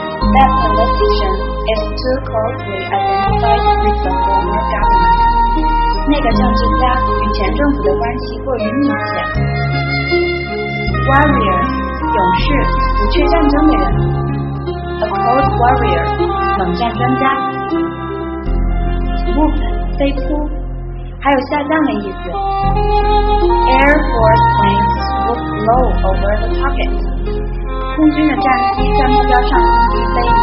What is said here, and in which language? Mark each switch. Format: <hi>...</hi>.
<en>That politician is too closely identified with the former government.</en> <zh>那个政治家与前政府的关系过于密切。 Warrior 勇士，不惧战争的人。</zh> <en>A cold warrior</en> <zh>冷战专家。飞扑，还有下降的意思。</zh> <en>Air Force planes would blow over the target.</en> <zh>空军的战机在目标上空中飞。</zh>